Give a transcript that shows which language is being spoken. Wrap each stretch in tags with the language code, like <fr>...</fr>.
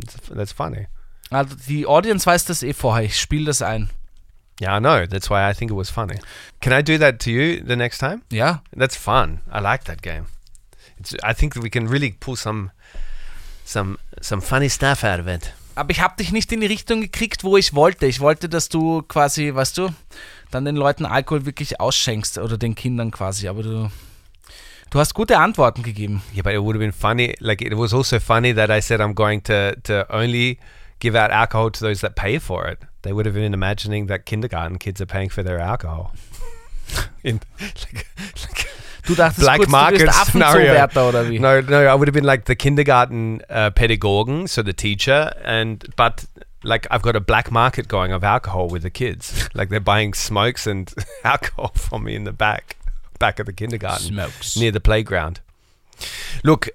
<en>That's funny.</en> <de>Also die Audience weiß das eh vorher. Ich spiele das ein.</de> <en>Yeah, I know. That's why I think it was funny. Can I do that to you the next time? Yeah. That's fun. I like that game. I think that we can really pull some funny stuff out of it.</en> <de>Aber ich habe dich nicht in die Richtung gekriegt, wo ich wollte. Ich wollte, dass du quasi, weißt du, dann den Leuten Alkohol wirklich ausschenkst oder den Kindern quasi. Aber du hast gute Antworten gegeben.</de> <en>Yeah, but it would have been funny. Like, it was also funny that I said I'm going to only give out alcohol to those that pay for it. They would have been imagining that kindergarten kids are paying for their alcohol.</en> <de>Du dachtest Black kurz, market du bist Affenzoo-Wärter oder wie?</de> <en>No, I would have been like the kindergarten pädagogen, so the teacher, but like I've got a black market going of alcohol with the kids. Like they're buying smokes and alcohol from me in the back of the kindergarten. Smokes. Near the playground. Look,</en>